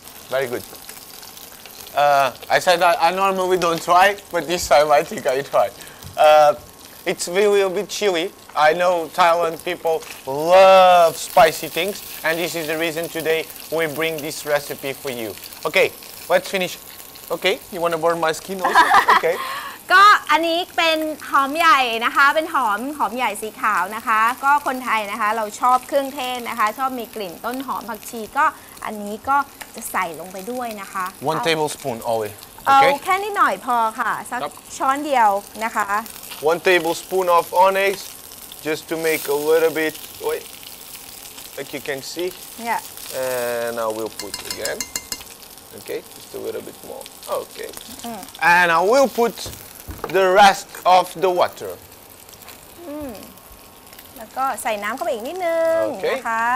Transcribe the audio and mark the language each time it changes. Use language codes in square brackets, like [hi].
[en] Very good. I said that I normally don't try, but this time I think I try. It's a little bit chilly. I know Thailand people love spicy things, and this is the reason today we bring this recipe for you. Okay, let's finish. Okay, you want to burn my skin also? Okay. [th] ก็อันนี้เป็นหอมใหญ่นะคะเป็นหอมใหญ่สีขาวนะคะก็คนไทยนะคะเราชอบเครื่องเทศนะคะชอบมีกลิ่นต้นหอมผักชีก็อันนี้ก็จะใส่ลงไปด้วยนะคะ [en] one tablespoon only [th] เอาแค่นิดหน่อยพอค่ะสักช้อนเดียวนะคะ [en] one tablespoon of onyx just to make a little bit wait like you can see yeah and I will put again okay just a little bit more okay and I will putThe rest of the water. [th] แล้วก็ใส่น้ำเข้าไปอีกนิดนึงนะคะ